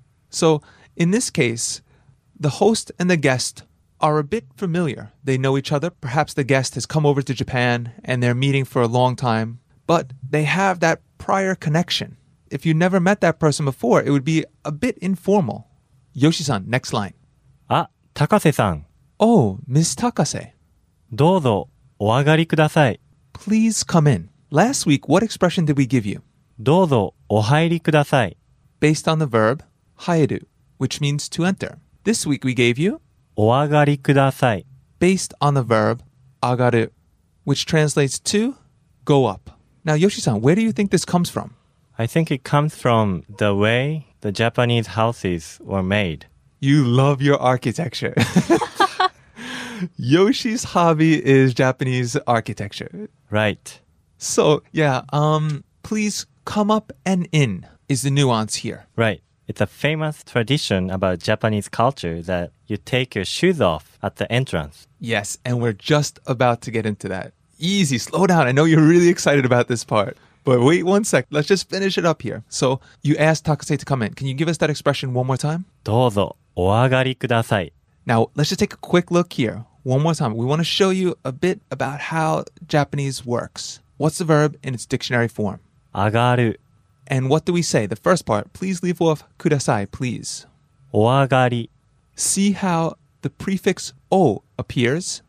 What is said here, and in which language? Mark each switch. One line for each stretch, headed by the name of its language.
English: So in this case, the host and the guest are a bit familiar. They know each other. Perhaps the guest has come over to Japan and they're meeting for a long time, but they have that prior connection. If you never met that person before, it would be a bit informal. Yoshi-san, next line. Ah, Takase-san. Oh, Miss Takase.
Japanese: どうぞお上がりください。
English: Please come in. Last week, what expression did we give you?
Japanese: どうぞお入りください。
English: Based on the verb 入る, which means to enter. This week we gave you
Japanese: お上がりください。
English: Based on the verb 上がる, which translates to go up. Now, Yoshi-san, where do you think this comes from? I think it comes from the way the Japanese houses were made. You love your architecture. Yoshi's hobby is Japanese architecture. Right. So, please come up and in is the nuance here. Right. It's a famous tradition about Japanese culture that you take your shoes off at the entrance. Yes, and we're just about to get into that. Easy, slow down. I know you're really excited about this part. But wait one sec. Let's just finish it up here. So you asked Takase to come in. Can you give us that expression one more time?
Japanese: どうぞお上がりください。
English: Now, let's just take a quick look here. One more time. We want to show you a bit about how Japanese works. What's the verb in its dictionary form?
Japanese: 上がる。
English: And what do we say? The first part, please leave off kudasai, please.
Japanese: お上がり。
English: See how the prefix o appears.